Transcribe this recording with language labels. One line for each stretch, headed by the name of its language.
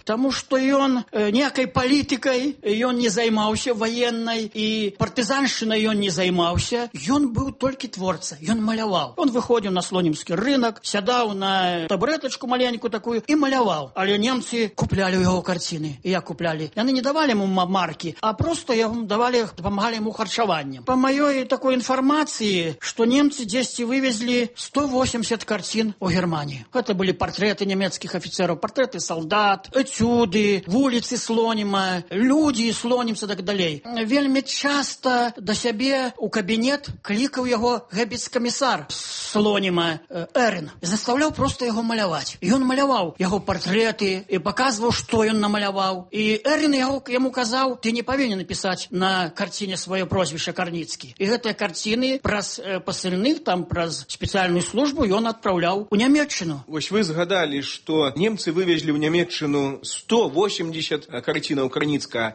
Ukrainian: Тому що він ніякої політикою, він не займався воєнною, і партизанщиною він не займався. Він був тільки творця, він малював. Він виходив на Слонімський ринок, сядав на табуреточку маленьку таку і малював. Але німці купляли його картини, і я купляв.
Russian: Они не давали ему марки, а просто давали, помогали ему харчованием. По моей такой информации, что немцы здесь вывезли 180 картин у Германии. Это были портреты немецких офицеров, портреты солдат, этюды, в улице Слонима, люди Слонимца и так далее. Вельми часто до себе у кабинет кликал его гебицкомиссар Слонима Эрн. И заставлял просто его малявать. И он малявал его портреты, и показывал, что он намалявал, и
Belarusian: Эрін яму казаў, ты не павінен пісаць на карціне сваё прозвішча Карніцкі. І гэтыя карціны праз пасыльных, там праз спецыяльную службу ён адпраўляў у Нямеччыну. Вось вы згадалі, што немцы вывезлі ў Нямеччыну 180 карцінаў Карніцкага.